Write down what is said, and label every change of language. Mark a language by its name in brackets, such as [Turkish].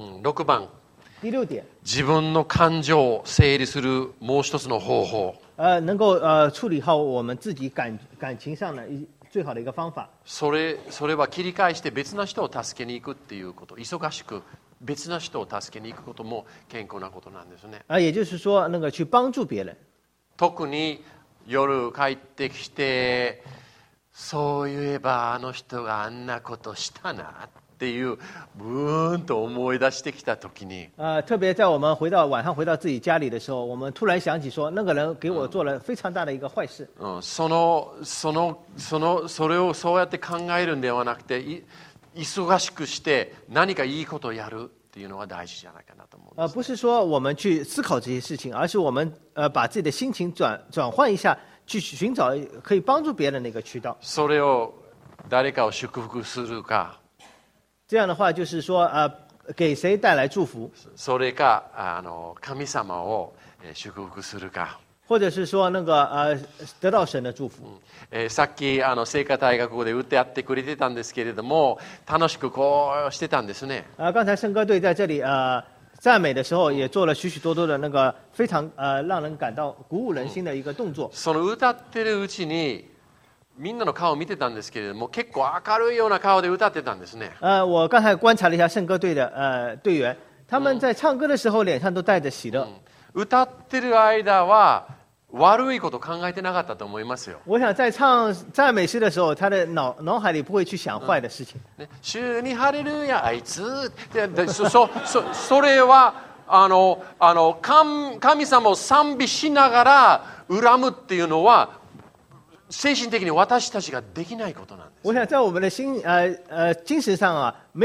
[Japanese] 六番。 [Chinese] 第六点。 [Japanese] 自分の感情を整理するもう一つの方法。 [Chinese] 能够处理好我们自己感情上的最好的一个方法。 [Japanese] それは切り返して別の人を助けに行くっていうこと。忙しく別の人を助けに行くことも健康なことなんですね。 [Chinese] 也就是说，那个去帮助别人。 [Japanese] 特に夜帰ってきて、そういえばあの人があんなことしたな。っていうブーンと思い出してきた時に、 [Chinese] 特別在我们回到晚上回到自己家里的时候，我们突然想起说，那个人给我做了非常大的一个坏事。 [Japanese] それをそうやって考えるんではなくて、忙しくして何かいいことをやるっていうのが大事じゃないかなと思うんです、 [Chinese] 不是说我们去思考这些事情，而是我们把自己的心情转换一下，去寻找可以帮助别人的一个渠道。 [Japanese] それを誰かを祝福するか。 [Chinese] 这样的话就是说给谁带来祝福 [Japanese] それか神様を祝福するか [Chinese] 或者是说那个得到神的祝福 [Japanese] さっき聖歌隊がここで歌ってくれてたんですけれども楽しくこうしてたんですね [Chinese] 刚才圣歌队在这里赞美的时候也做了许许多多的那个非常让人感到鼓舞人心的一个动作 [Japanese] その歌ってるうちにみんなの顔を見てたんですけれども結構明るいような顔で歌ってたんですね [Chinese] 我刚才观察了一下圣歌队的队员他们在唱歌的时候脸上都带着喜乐 [Japanese] 歌ってる間は悪いこと考えてなかったと思いますよ [Chinese] 我想在唱赞美诗的时候他的 脑海里不会去想坏的事情 [Japanese] 主にハレルヤあいつで それはあの 神様を賛美しながら恨むっていうのは精神的に私たちができないことなんです。 [Chinese] 我想在我们的精神上啊，没有。